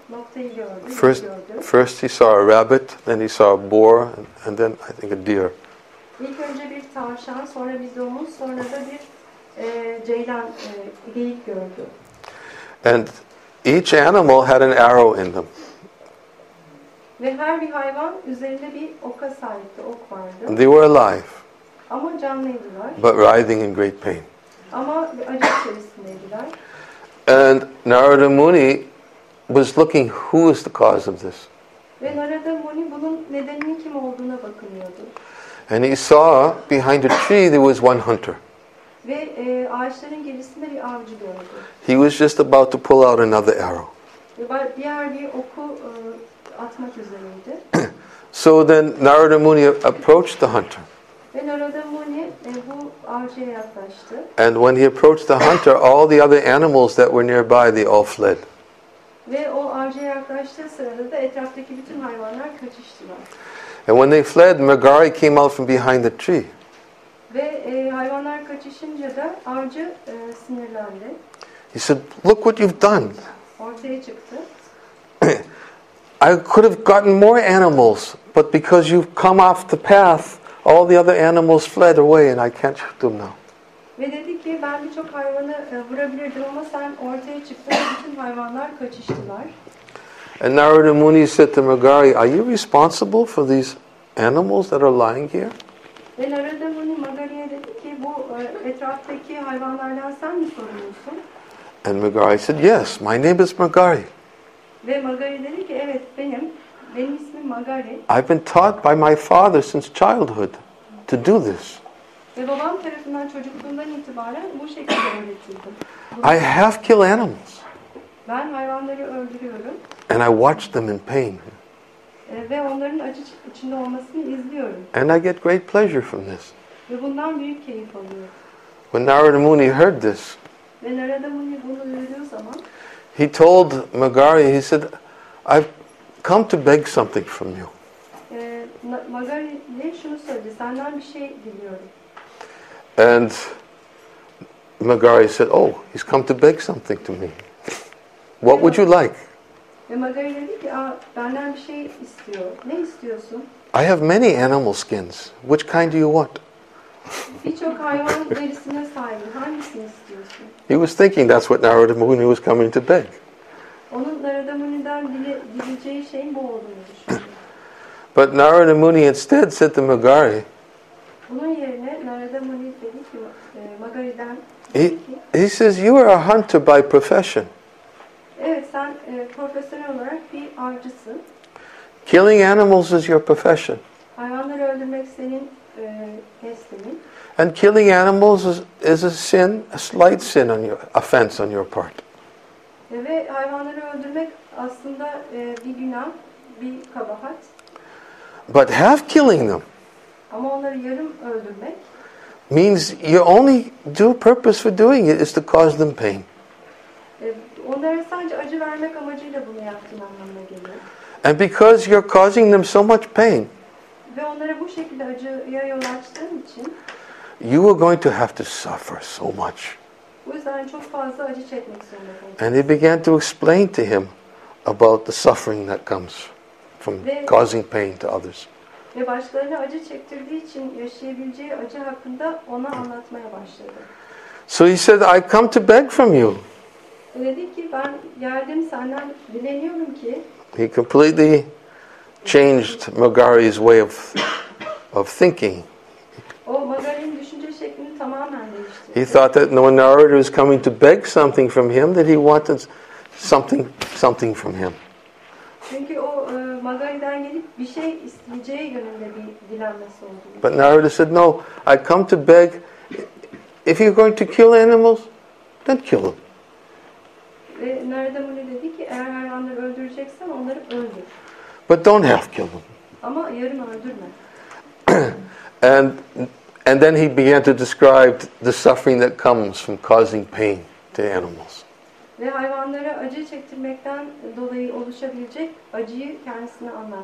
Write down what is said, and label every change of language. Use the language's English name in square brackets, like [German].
[English] First he saw a rabbit, then he saw a boar, and then I think a deer. [Turkish] İlk önce bir tavşan, sonra bir domuz, sonra da bir ceylan, geyik gördü. [English] And each animal had an arrow in them. [Turkish] Ve her bir hayvan üzerinde bir oka sahipti, ok vardı. [English] And they were alive. [Turkish] Ama canlıydılar. [English] But writhing in great pain. [Turkish] Ama acı içerisindeydiler. [English] And Narada Muni was looking, who is the cause of this? [Turkish] Ve Narada Muni bunun nedeninin kim olduğuna bakınıyordu. [English] And he saw behind a tree there was one hunter. [Turkish] Ve ağaçların gerisinde bir avcı gördü. [English] He was just about to pull out another arrow. [Turkish] Diğer bir oku atmak üzereydi. [English] So then Narada Muni approached the hunter. [Turkish] Ve Narada Muni bu avcıya yaklaştı. [English] And when he approached the hunter, all the other animals that were nearby, they all fled. [Turkish] Ve o avcıya yaklaştığı sırada da etraftaki bütün hayvanlar kaçıştılar. [English] And when they fled, Megari came out from behind the tree. [Turkish] Ve hayvanlar kaçışınca da avcı sinirlendi. [English] He said, look what you've done. [Turkish] Ortaya çıktı. [English] I could have gotten more animals, but because you've come off the path, all the other animals fled away and I can't shoot them now. [Turkish] Ve dedi ki, ben birçok hayvanı vurabilirdim ama sen ortaya çıktın ve bütün hayvanlar kaçıştılar. [English] And Narada Muni said to Megari, are you responsible for these animals that are lying here? [Turkish] Ve Narada Muni Megari'ye dedi ki, bu etraftaki hayvanlardan sen mi sorumlusun? [English] And Megari said, yes, my name is Megari. [Turkish] Ve Megari dedi ki, evet, benim ismim Megari. [English] I've been taught by my father since childhood to do this. [Turkish] Ve babam tarafından çocukluğumdan itibaren bu şekilde öğretildim. [English] I have killed animals. [Turkish] Ben hayvanları öldürüyorum. [English] And I watch them in pain. [Turkish] Ve onların acı içinde olmasını izliyorum. [English] And I get great pleasure from this. [Turkish] Ve bundan büyük keyif alıyorum. [English] When Narada Muni heard this, [Turkish] ve Narada Muni bunu duyduğu zaman, [English] he told Megari, he said, I've come to beg something from you. [Turkish] Megari ne şunu söyledi, senden bir şey diliyorum. [English] And Megari said, oh, he's come to beg something to me. What would you like? [Turkish] Ve Megari dedi ki, benden bir şey istiyor. Ne istiyorsun? [English] I have many animal skins. Which kind do you want? [Turkish] Birçok hayvan derisine sahibim. Hangisini istiyorsun? [English] He was thinking that's what Narada Muni was coming to beg. [Turkish] Onun Narada Muni'den dileyeceği şey bu olduğunu düşünüyorum. [English] But Narada Muni instead said to Megari, [Turkish] bunun yerine Narada Muni dedi ki, Megari'den dedi ki, [English] he says, you are a hunter by profession. [Turkish] Evet, sen profesyonel olarak bir avcısın. [English] Killing animals is your profession. [Turkish] Hayvanları öldürmek senin mesleğin. [English] And killing animals is a sin, a slight sin on your offense on your part. [Turkish] Ve hayvanları öldürmek aslında bir günah, bir kabahat. [English] But half killing them. [Turkish] Ama onları yarım öldürmek [English] means your only due purpose for doing it is to cause them pain. [Turkish] Onlara sadece acı vermek amacıyla bunu yaptığın anlamına geliyor. [English] And because you're causing them so much pain, [Turkish] ve onlara bu şekilde acıya yol açtığın için, [English] you are going to have to suffer so much. [Turkish] Bu yüzden çok fazla acı çekmek zorunda kalacaksın. [English] And he began to explain to him about the suffering that comes from causing pain to others. [Turkish] Ve başkalarına acı çektirdiği için yaşayabileceği acı hakkında ona anlatmaya başladı. [English] So he said, I come to beg from you. [Turkish] Dedi ki, ben yardım senden dileniyorum ki. [English] He completely changed Megari's way of thinking. [Turkish] O Megari'nin düşünce şeklini tamamen değiştirdi. [English] He thought that when Narada was coming to beg something from him, that he wanted something from him. [Turkish] Çünkü o Megari'den gelip bir şey isteyeceği yönünde bir dilenmesi oldu. [English] But Narada said, no, I come to beg. If you're going to kill animals, then kill them. [Turkish] Ve Narada Muni dedi ki, eğer hayvanları öldüreceksen onları öldür. [English] But don't half kill them. [Turkish] Ama yarım öldürme. [English] And then he began to describe the suffering that comes from causing pain to animals. [Turkish] Ve hayvanlara acı çektirmekten dolayı oluşabilecek acıyı kendisine anlattı.